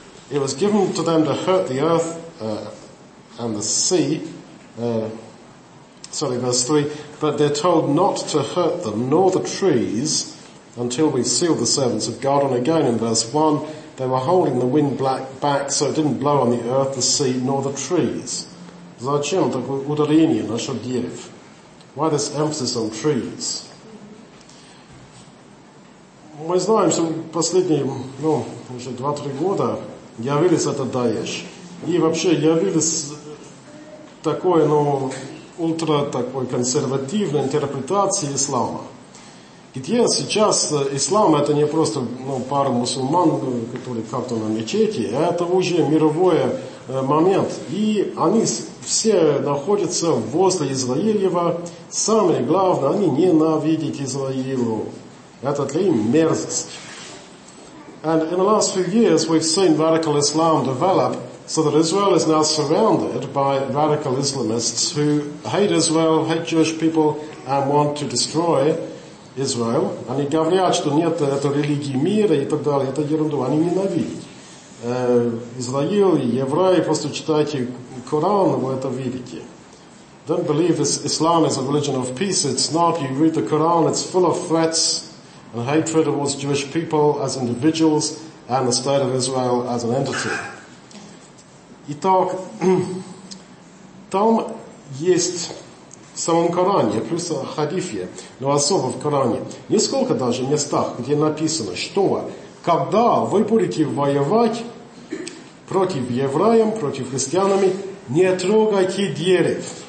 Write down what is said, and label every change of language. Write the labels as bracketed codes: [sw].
[en] It was given to them to hurt the earth and the sea. Verse 3. But they're told not to hurt them nor the trees until we've sealed the servants of God. And again in verse 1, they were holding the wind back so it didn't blow on the earth, the sea, nor the trees. [ru] Зачем такое ударение насчет дерев? [en] Why this emphasis on trees? [ru] Мы знаем, что последние, уже 2-3 года явились это Даеш. И вообще явились такое, ультра такой консервативной интерпретации ислама. Где сейчас ислам это не просто пара мусульман, которые как-то на мечети, это уже мировой момент. И они все находятся возле Израилева. Самое главное, они ненавидят Израилеву. Это для них мерзость. [en] And in the last few years we've seen radical Islam develop so that Israel is now surrounded by radical Islamists who hate Israel, hate Jewish people and want to destroy Israel. [ru] Они говорят, что нет этой религии мира и так далее. Это ерунду. Они ненавидят. Израил, евреи, просто читайте Коран, вы это видите. [en] Don't believe Islam is a religion of peace. It's not. You read the Quran, it's full of threats and hatred towards Jewish people as individuals and the state of Israel as an entity. [ru] Итак, там есть в самом Коране, плюс в Хадифе, но особо в Коране, несколько даже местах, где написано, что когда вы будете воевать против евреев, против христианами, не трогайте дерев.